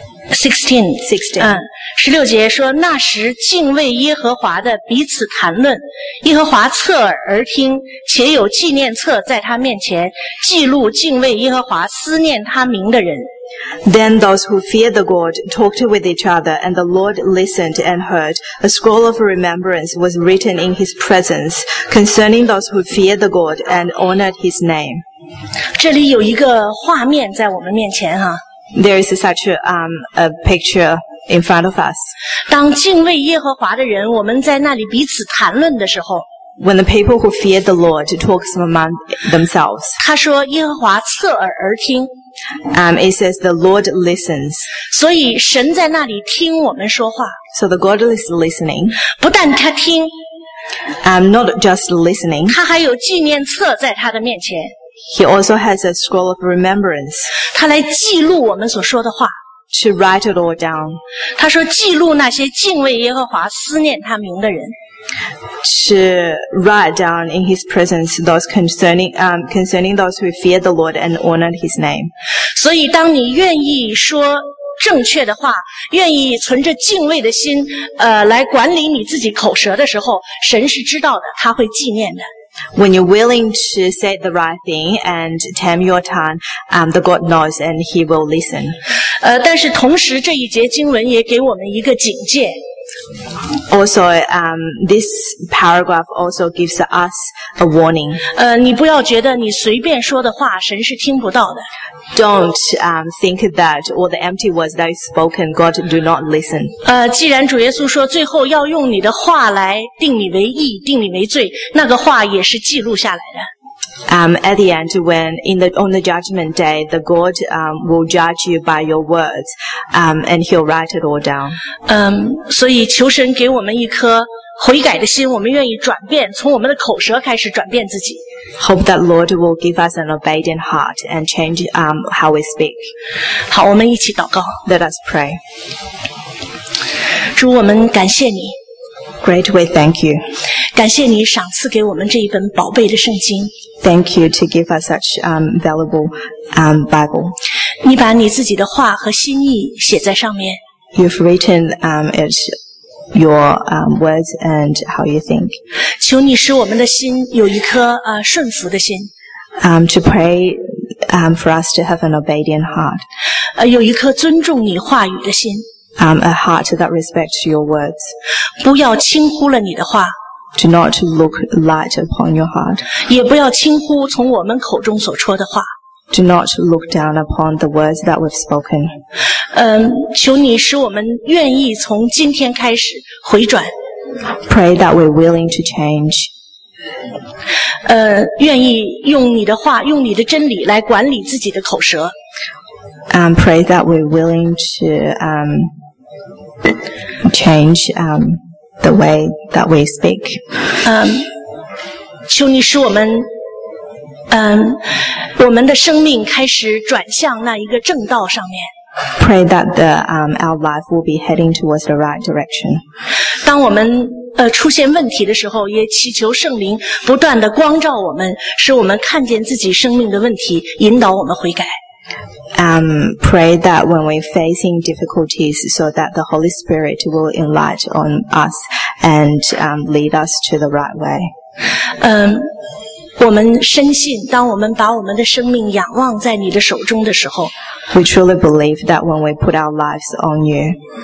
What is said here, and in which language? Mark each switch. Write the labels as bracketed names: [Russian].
[Chinese] 16十六节说，那时敬畏耶和华的彼此谈论，耶和华侧耳而听，且有纪念册在他面前记录敬畏耶和华思念他名的人。 [English] Then those who feared the God talked with each other, and the Lord listened and heard. A scroll of remembrance was written in his presence concerning those who feared the God and honored his name. [Chinese] 这里有一个画面在我们面前哈。 [English] There is such a picture in front of us. [Chinese] 当敬畏耶和华的人，我们在那里彼此谈论的时候， [English] When the people who fear the Lord talks among themselves. [Chinese] 他说耶和华侧耳而听。 [English] It says the Lord listens. [Chinese] 所以神在那里听我们说话。 [English] So the God is listening. [Chinese] 不但他听， [English] not just listening. [Chinese] 他还有纪念册在他的面前。 [English] He also has a scroll of remembrance. [Chinese] 他来记录我们所说的话。 [English] To write it all down. [Chinese] 他说记录那些敬畏耶和华思念他名的人。 [English] To write down in his presence those concerning those who feared the Lord and honored his name. [Chinese] 所以当你愿意说正确的话，愿意存着敬畏的心来管理你自己口舌的时候，神是知道的，他会纪念的。 [English] When you're willing to say the right thing and tame your tongue, the God knows and He will listen. [Chinese] 但是同时这一节经文也给我们一个警戒。 [English] Also, this paragraph also gives us a warning. [Chinese] 你不要觉得你随便说的话神是听不到的。 [English] Don't think that all the empty words that is spoken, God do not listen. [Chinese] 既然主耶稣说最后要用你的话来定你为义，定你为罪，那个话也是记录下来的。 [English] At the end, when on the judgment day, the God will judge you by your words, and He'll write it all down. [Chinese] 所以求神给我们一颗悔改的心，我们愿意转变，从我们的口舌开始转变自己。 [English] Hope that Lord will give us an obedient heart and change how we speak. [Chinese] 好，我们一起祷告。 [English] Let us pray. [Chinese] 主，我们感谢你。 [English] Great, we thank you. [Chinese] 感谢你赏赐给我们这一本宝贝的圣经。 [English] Thank you to give us such valuable Bible. [Chinese] 你把你自己的话和心意写在上面。 [English] You've written it, your words and how you think. [Chinese] 求你使我们的心有一颗顺服的心。 [English] To pray for us to have an obedient heart. [Chinese] 有一颗尊重你话语的心。 [English] A heart that respects your words. [Chinese] 不要轻忽了你的话。 [English] Do not look light upon your heart. [Chinese] 也不要轻忽从我们口中所说的话。 [English] Do not look down upon the words that we've spoken. [Chinese] 求你使我们愿意从今天开始回转。 [English] Pray that we're willing to change. [Chinese] 愿意用你的话，用你的真理来管理自己的口舌。 [English] Pray that we're willing to change the way that we speak. [Chinese] 求你使我们，我们的生命开始转向那一个正道上面。 [English] Pray that the our life will be heading towards the right direction. [Chinese] 当我们出现问题的时候，也祈求圣灵不断的光照我们，使我们看见自己生命的问题，引导我们悔改。 [English] Pray that when we're facing difficulties, so that the Holy Spirit will enlighten on us and lead us to the right way. [Chinese] 我们深信，当我们把我们的生命仰望在你的手中的时候， [English] we truly believe that when we put our lives on you,